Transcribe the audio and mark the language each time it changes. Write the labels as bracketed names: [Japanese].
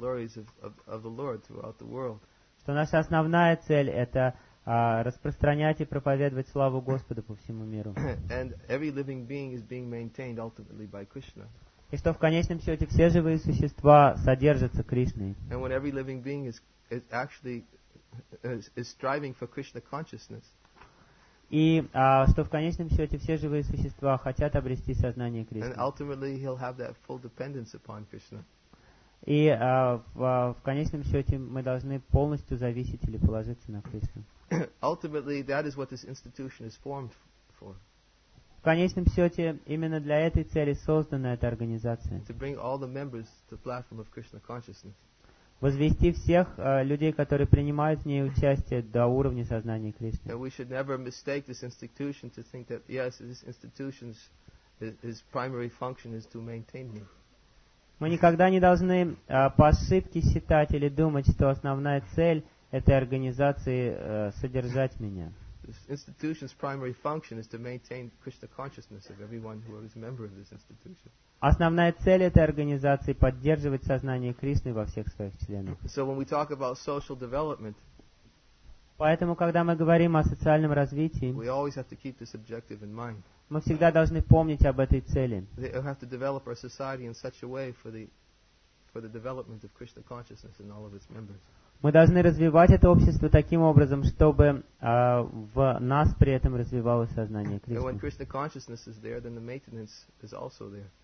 [Russian] Что наша основная цель – это распространять и проповедовать славу Господа по всему миру. [English] And every living being is being maintained ultimately by Krishna. [Russian] И что в конечном счете все живые существа содержатся Кришной. [English] And when every living being is striving for Krishna consciousness. [Russian] И что в конечном счете все живые существа хотят обрести сознание Кришны. [English] And ultimately he'll have that full dependence upon Krishna. [Russian] И в конечном счете мы должны полностью зависеть или положиться на Кришну. [English] Ultimately that is what this institution is formed for. [Russian] В конечном счете, именно для этой цели создана эта организация. [English] To bring all the members to the platform of Krishna consciousness. [Russian] Возвести всех людей, которые принимают в ней участие, до уровня сознания Кришны. [English] And we should never mistake this institution to think that, yes, this institution's his primary function is to maintain me. [Russian] Мы никогда не должны по ошибке считать или думать, что основная цель этой организации содержать меня. [English] This institution's primary function is to maintain Krishna consciousness of everyone who is a member of this institution. [Russian] Основная цель этой организации – поддерживать сознание Кришны во всех своих членах. [English] So when we talk about social development, [Russian] поэтому, когда мы говорим о социальном развитии, [English] we always have to keep this objective in mind. [Russian] Мы всегда должны помнить об этой цели. [English] We have to develop our society in such a way for the development of Krishna consciousness in all of its members. [Russian] Мы должны развивать это общество таким образом, чтобы в нас при этом развивалось сознание Кришны.